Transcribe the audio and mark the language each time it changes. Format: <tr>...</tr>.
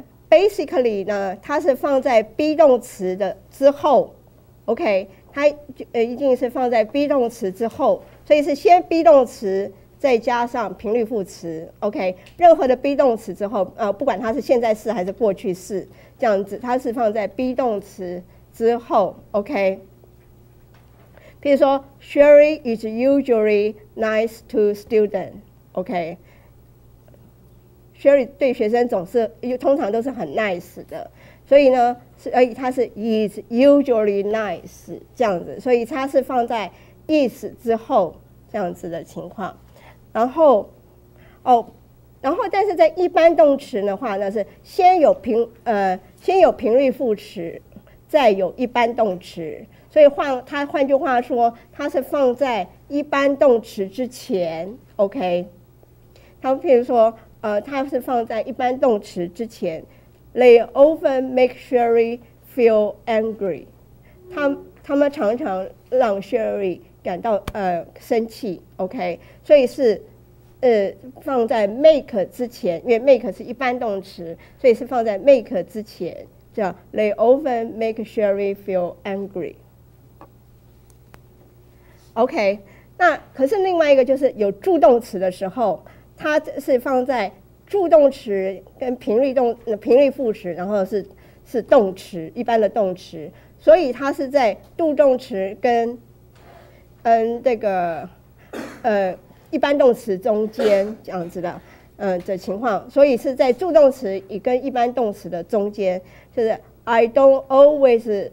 <zh>Basically 呢，它是放在 be 动词的之后 ，OK， 它一定是放在 be 动词之后，所以是先 be 动词再加上频率副词 ，OK， 任何的 be 动词之后，不管它是现在式还是过去式，这样子它是放在 be 动词。之后 ，OK。譬如说</zh> <en>，Sherry is usually nice to students. OK。</en> <zh>Sherry 对学生通常都是很 nice 的，所以呢，它是</zh> <en>is usually nice</en> <zh>这样子，所以它是放在 is 之后这样子的情况。然后但是在一般动词的话，那是先有频率副词。再有一般动词，所以换句话说，它是放在一般动词之前 ，OK。他们譬如说，它是放在一般动词之前 ，</zh> <en>They often make Sherry feel angry。</en> <zh>他们常常让 Sherry 感到生气 ，OK。所以是放在 make 之前，因为 make 是一般动词，所以是放在 make 之前。</zh> <en>They often make Sherry feel angry.</en> <zh>OK， 那可是另外一个就是有助动词的时候，它是放在助动词跟频率副词，然后是是动词，一般的动词，所以它是在度动词跟这个一般动词中间这样子的的情况，所以是在助动词与跟一般动词的中间，就是</zh> <en>I don't always</en>